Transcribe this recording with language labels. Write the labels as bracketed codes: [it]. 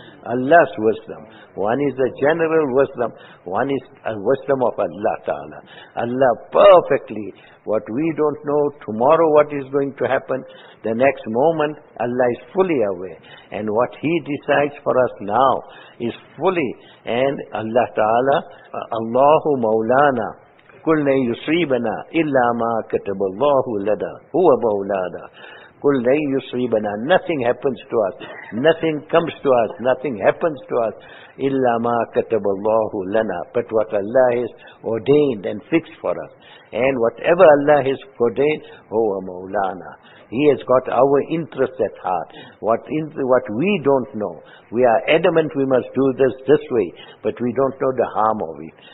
[en] Allah's wisdom. One is the general wisdom, one is a wisdom of Allah Ta'ala. Allah perfectly, what we don't know tomorrow what is going to happen, the next moment Allah is fully aware. And what He decides for us now is fully, and Allah Ta'ala, Allahu Mawlana, [ar] قل لن يصيبنا الا ما كتب الله لنا هو مولانا. قل لن يصيبنا, [en] nothing happens to us, nothing comes to us, nothing happens to us, [ar] الا ما كتب الله لنا, [en] but what Allah has ordained and fixed for us, and whatever Allah has ordained, [ar] هو مولانا. [en] He has got our interests at heart. What we don't know, we are adamant we must do this way, but we don't know the harm of it.